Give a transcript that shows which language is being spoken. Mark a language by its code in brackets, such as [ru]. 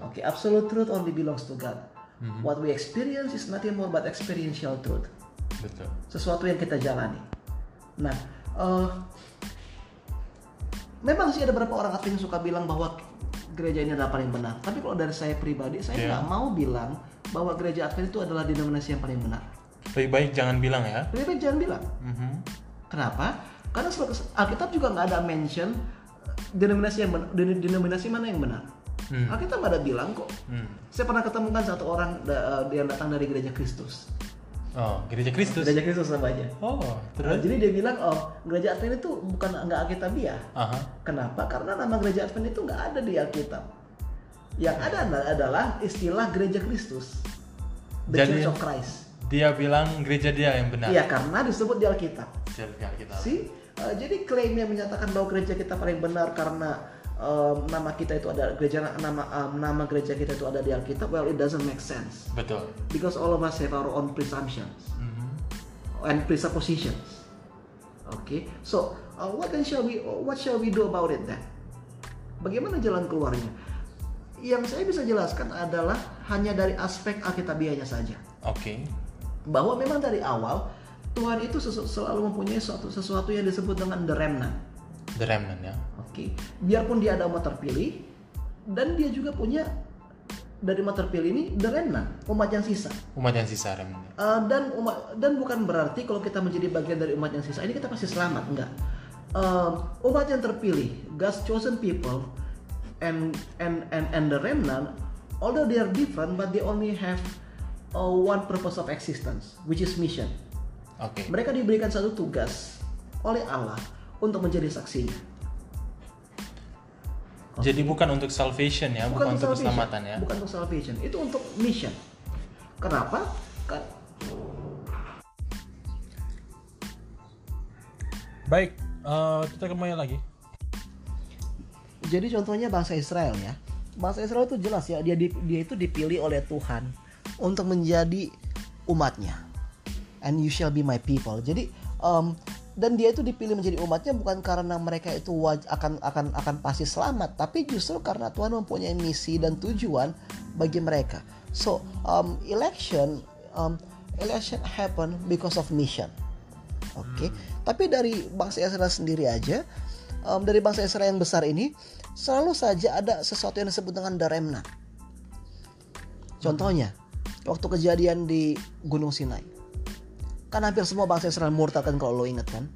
[en] Oke, okay, absolute truth only belongs to God. What we experience is nothing more but experiential truth. [id] Betul. Sesuatu yang kita jalani. Nah, memang sih ada beberapa orang Advent yang suka bilang bahwa gereja ini adalah paling benar. Tapi kalau dari saya pribadi, saya nggak mau bilang bahwa Gereja Advent itu adalah denominasi yang paling benar. Lebih baik jangan bilang ya. Lebih baik jangan bilang. Kenapa? Karena surat Alkitab juga nggak ada mention denominasi mana yang benar. Alkitab nggak ada bilang kok. Saya pernah ketemukan satu orang yang datang dari gereja Kristus. Gereja Kristus sama aja. Jadi dia bilang, oh, gereja Advent itu bukan nggak Alkitab ya. Kenapa? Karena nama gereja Advent itu nggak ada di Alkitab. Yang ada adalah istilah gereja Kristus, [en] the [id] jadi, [en] Church of Christ. [id] Dia bilang gereja dia yang benar. Iya, karena disebut di Alkitab. Sih, jadi klaim yang menyatakan bahwa gereja kita paling benar karena nama kita itu ada gereja, nama gereja kita itu ada di Alkitab. [en] Well, it doesn't make sense. [id] Betul. [en] Because all of us have our own presumptions and presuppositions. Okay, so what shall we do about it then? [id] Bagaimana jalan keluarnya? Yang saya bisa jelaskan adalah hanya dari aspek Alkitabiahnya saja. [en] Okay. [id] Bahwa memang dari awal Tuhan itu selalu mempunyai sesuatu yang disebut dengan [en] the remnant. The remnant ya. Okay. [id] Biarpun dia ada umat terpilih, dan dia juga punya dari umat terpilih ini [en] the remnant, [id] umat yang sisa. Umat yang sisa [en] remnant. [id] Dan bukan berarti kalau kita menjadi bagian dari umat yang sisa ini kita pasti selamat, enggak. Umat yang terpilih, [en] God's chosen people, and the remnant, although they are different, but they only have one purpose of existence, which is mission. Okay. [id] Mereka diberikan satu tugas oleh Allah untuk menjadi saksinya. [en] Okay. [id] Jadi bukan untuk salvation ya, bukan untuk [en] salvation. [id] Keselamatan ya. Bukan untuk salvation, itu untuk mission. Kenapa? Baik, kita kembali lagi. Jadi contohnya bangsa Israel ya. Bangsa Israel itu jelas ya, dia itu dipilih oleh Tuhan untuk menjadi umatnya. [en] And you shall be my people. [id] Jadi dan dia itu dipilih menjadi umatnya bukan karena mereka itu akan pasti selamat, tapi justru karena Tuhan mempunyai misi dan tujuan bagi mereka. [en] So, election happen because of mission. Okay. [id] Tapi dari bangsa Israel sendiri aja, dari bangsa Israel yang besar ini selalu saja ada sesuatu yang disebut dengan [en] the remnant. [id] Contohnya, waktu kejadian di Gunung Sinai. Kan hampir semua bangsa Israel murtad kan, kalau lo inget kan.